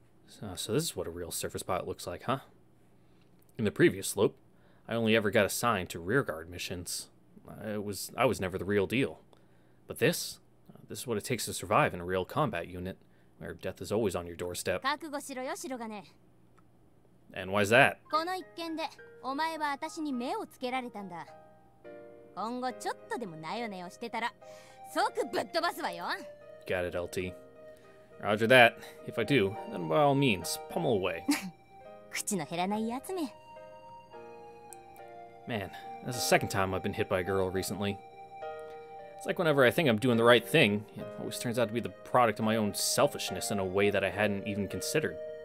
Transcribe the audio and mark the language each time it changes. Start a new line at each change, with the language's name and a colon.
English: So this is what a real surface pilot looks like, huh? In the previous loop, I only ever got assigned to rearguard missions. I was never the real deal. But this is what it takes to survive in a real combat unit, where death is always on your doorstep.
Japanese: 覚悟しろよ、白金。
English: And why is that?
Japanese: この一件で、お前は私に目をつけられたんだ。今後ちょっとでもなよなよしてたら、即ぶっ飛ばすわよ。
English: Got it, LT. Roger that. If I do, then by all means, pummel away.
Japanese: 口の減らないやつめ。
English: Man, that's the second time I've been hit by a girl recently. It's like whenever I think I'm doing the right thing, it always turns out to be the product of my own selfishness in a way that I hadn't even considered.